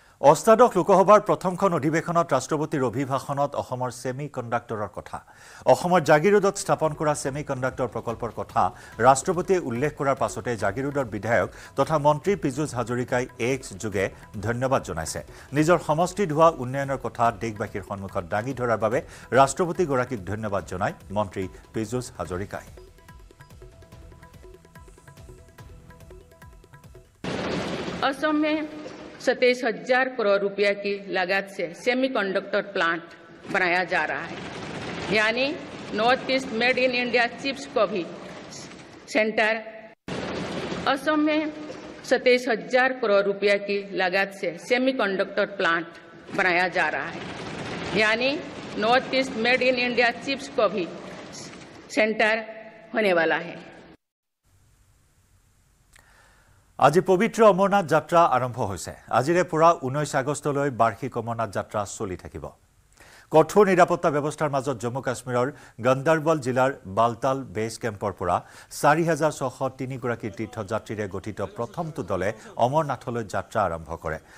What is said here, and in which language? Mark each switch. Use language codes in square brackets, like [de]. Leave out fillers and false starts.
[as] অষ্টাদশ লোকসভাৰ প্ৰথমখন অধিৱেশনত ৰাষ্ট্ৰপতিৰ অভিভাষণত অসমৰ ছেমি কণ্ডাক্টৰৰ কথা, অসমৰ জাগীৰোডত স্থাপন কৰা ছেমি কণ্ডাক্টৰ প্ৰকল্পৰ কথা ৰাষ্ট্ৰপতিয়ে উল্লেখ কৰাৰ পাছতে জাগীৰোডৰ বিধায়ক তথা মন্ত্ৰী পীযুষ হাজৰিকাই এক্স যোগে ধন্যবাদ জনাইছে। নিজৰ সমষ্টিত হোৱা উন্নয়নৰ কথা দেশবাসীৰ সন্মুখত দাঙি ধৰাৰ বাবে ৰাষ্ট্ৰপতিগৰাকীক ধন্যবাদ জনায় মন্ত্ৰী পীযুষ হাজৰিকাই। [hi] असम में 27,000 करोड़ रुपया की लागत से सेमीकंडक्टर प्लांट बनाया जा रहा है, यानी north east made in India chips को भी सेंटर। असम में 27,000 करोड़ रुपया की लागत से सेमीकंडक्टर प्लांट बनाया जा रहा है, यानी north east made in India chips को भी सेंटर होने वाला है। [as] আজি পবিত্ৰ অমৰনাথ যাত্ৰা আৰম্ভ হৈছে। আজিৰে পৰা 19 আগষ্টলৈ বাৰ্ষিক অমৰনাথ যাত্ৰা চলি থাকিব। কঠোৰ নিৰাপত্তা ব্যৱস্থাৰ মাজত জম্মু কাশ্মীৰৰ গণ্ডাৰবল জিলাৰ বালতাল বেছ কেম্পৰ পৰা 4,603 গৰাকী তীৰ্থযাত্ৰীৰে গঠিত প্ৰথমটো দলে অমৰনাথলৈ যাত্ৰা আৰম্ভ কৰে।